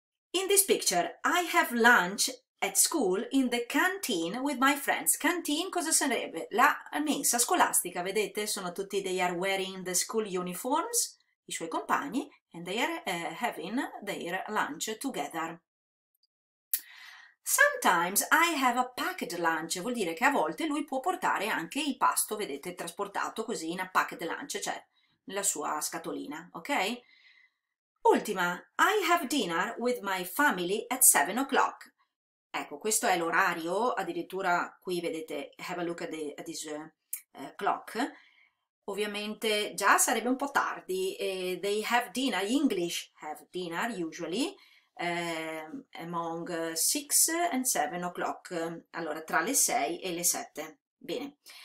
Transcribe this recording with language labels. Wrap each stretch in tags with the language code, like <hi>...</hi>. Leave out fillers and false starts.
<en>In this picture, I have lunch at school in the canteen with my friends.</en> <it>Canteen, cosa sarebbe? La mensa scolastica, vedete? Sono tutti,</it> <en>they are wearing the school uniforms,</en> <it>i suoi compagni,</it> <en>and they are having their lunch together. Sometimes I have a packed lunch,</en> <it>vuol dire che a volte lui può portare anche il pasto, vedete, trasportato così</it> <en>in a packed lunch,</en> <it>cioè nella sua scatolina, ok? Ultima,</it> <en>I have dinner with my family at 7 o'clock.</en> <it>Ecco, questo è l'orario, addirittura qui vedete,</it> <en>have a look at this clock.</en> <it>Ovviamente già sarebbe un po' tardi,</it> <en>they have dinner, English have dinner usually, among 6 and 7 o'clock,</en> <it>allora tra le 6 e le 7. Bene.</it>